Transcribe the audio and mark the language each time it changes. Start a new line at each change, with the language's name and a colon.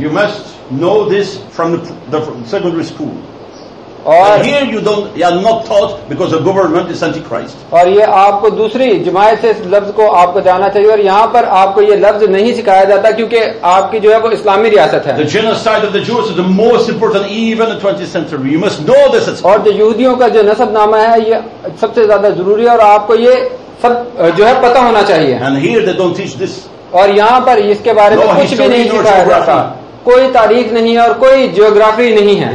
English: You must know this from the secondary school. और and here you don't, you are not taught because the government is antichrist.
Hindi: और ये आपको दूसरी जमाए से इस लफ्ज को आपको जाना चाहिए और यहाँ पर आपको ये लफ्ज नहीं सिखाया जाता क्योंकि आपकी जो है वो इस्लामी रियासत है.
English: The genocide of the Jews is the most important even the 20th century. You must know this.
Hindi: और जो यहूदियों का जो नसब नामा है ये सबसे ज्यादा जरूरी है और आपको ये सब जो है पता होना चाहिए.
English: And here they don't teach this.
Hindi: और यहाँ पर इसके बारे में कुछ भी नहीं सिखाया जाता. कोई तारीख नहीं है और कोई ज्योग्राफी नहीं है.